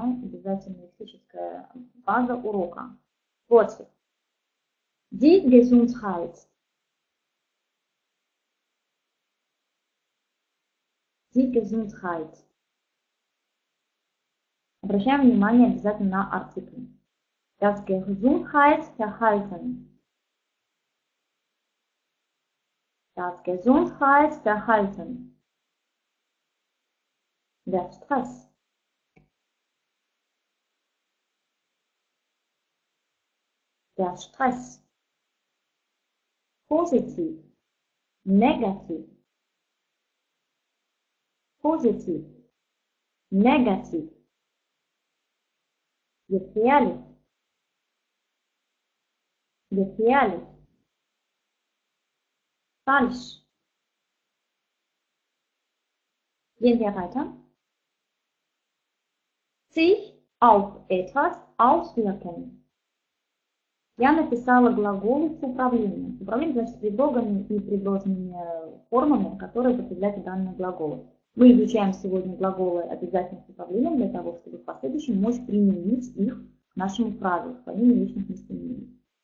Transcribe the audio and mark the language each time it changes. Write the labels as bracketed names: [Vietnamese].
[Russian] Обязательно лексическая база урока. [German] Вот. Die Gesundheit. Die Gesundheit. [Russian] Обращаем внимание обязательно на артикль. [German] Das Gesundheitsverhalten. Das Gesundheitsverhalten. Der Stress. Der Stress. Positiv. Negativ. Positiv. Negativ. Gefährlich. Gefährlich. Falsch. Gehen wir weiter. Sich auf etwas auswirken. [Russian] Я написала глагол с управлением. Управление значит предлогами и предложенными формами, которые определяют данный глагол. Мы изучаем сегодня глаголы обязательно с управлением для того, чтобы в последующем мочь применить их к нашему правилу, к своим личным местоимениям.